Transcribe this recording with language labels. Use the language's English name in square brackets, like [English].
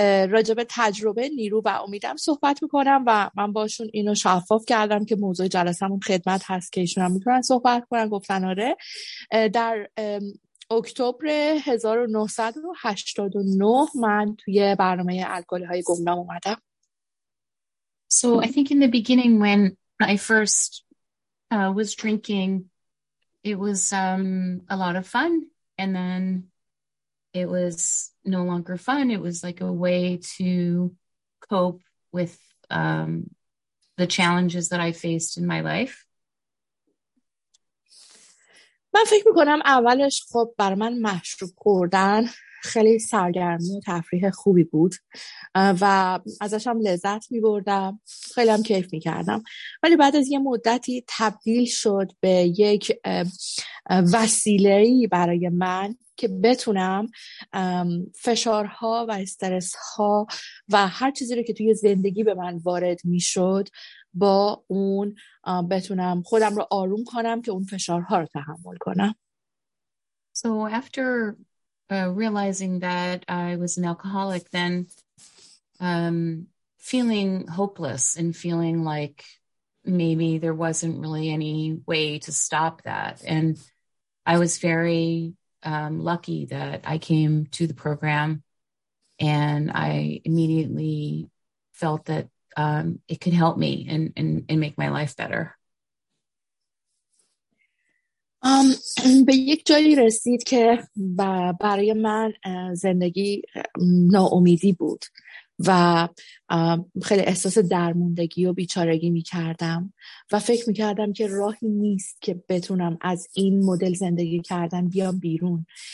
[Persian] راجب تجربه نیرو و امیدم صحبت میکنم و من باشون اینو شفاف کردم که موضوع جلسه‌مون خدمت هست که ایشون هم میتونن صحبت کنن. گفتن آره. در اکتبر 1989 من توی برنامه الکلی های گمنام اومدم. [English] So I think in the beginning when I first was drinking, it was a lot of fun, and then it was no longer fun. It was like a way to cope with the challenges that I faced in my life. [Persian] من فکر میکنم اولش خب برای من مشروب خوردن خیلی سرگرمی و تفریح خوبی بود و ازش هم لذت میبردم، خیلی هم کیف میکردم، ولی بعد از یه مدتی تبدیل شد به یک وسیله‌ای برای من که بتونم فشارها و استرسها و هر چیزی رو که توی زندگی به من وارد میشد با اون بتونم خودم رو آروم کنم که اون فشارها رو تحمل کنم. [English] So after realizing that I was an alcoholic, then feeling hopeless and feeling like maybe there wasn't really any way to stop that. And I was very lucky that I came to the program and I immediately felt that it could help me and make my life better. [Persian] به یک جایی رسید که برای من زندگی ناامیدی بود و خیلی احساس درموندگی و بیچارگی می کردم و فکر می کردم که راهی نیست که بتونم از این مدل زندگی کردن بیام بیرون.